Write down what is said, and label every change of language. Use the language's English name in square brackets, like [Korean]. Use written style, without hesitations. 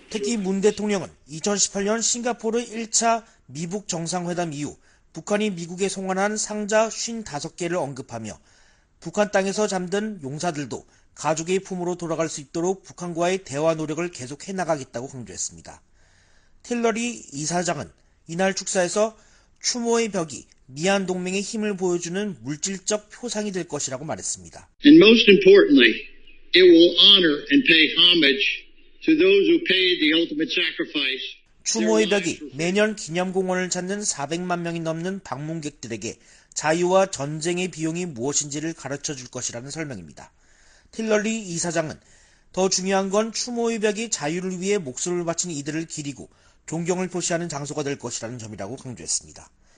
[Korean] 특히 문 대통령은 2018년 싱가포르 1차 미북 정상회담 이후 북한이 미국에 송환한 상자 55개를 언급하며 북한 땅에서 잠든 용사들도 가족의 품으로 돌아갈 수 있도록 북한과의 대화 노력을 계속해 나가겠다고 강조했습니다. 틸러리 이사장은 이날 축사에서 추모의 벽이 미한 동맹의 힘을 보여주는 물질적 표상이 될 것이라고 말했습니다. [English] And most importantly, it will honor and pay homage to those who paid the ultimate sacrifice. [Korean] 추모의 벽이 매년 기념공원을 찾는 400만 명이 넘는 방문객들에게 자유와 전쟁의 비용이 무엇인지를 가르쳐줄 것이라는 설명입니다. 틸러리 이사장은 더 중요한 건 추모의 벽이 자유를 위해 목숨을 바친 이들을 기리고 존경을 표시하는 장소가 될 것이라는 점이라고 강조했습니다.